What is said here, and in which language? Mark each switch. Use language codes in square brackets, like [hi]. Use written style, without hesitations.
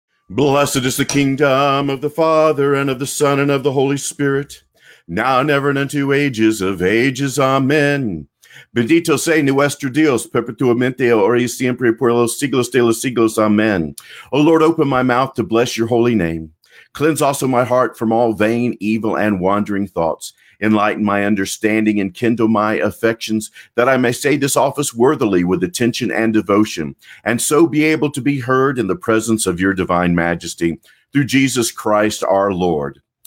[en] Blessed is the kingdom of the Father, and of the Son, and of the Holy Spirit, now and ever and unto ages of ages. Amen. [es] Bendito sea nuestro Dios, perpetuamente, ahora y siempre, por los siglos de los siglos. Amen. [en] O Lord, open my mouth to bless your holy name. Cleanse also my heart from all vain, evil, and wandering thoughts. Enlighten my understanding and kindle my affections, that I may say this office worthily with attention and devotion, and so be able to be heard in the presence of your divine majesty, through Jesus Christ our Lord.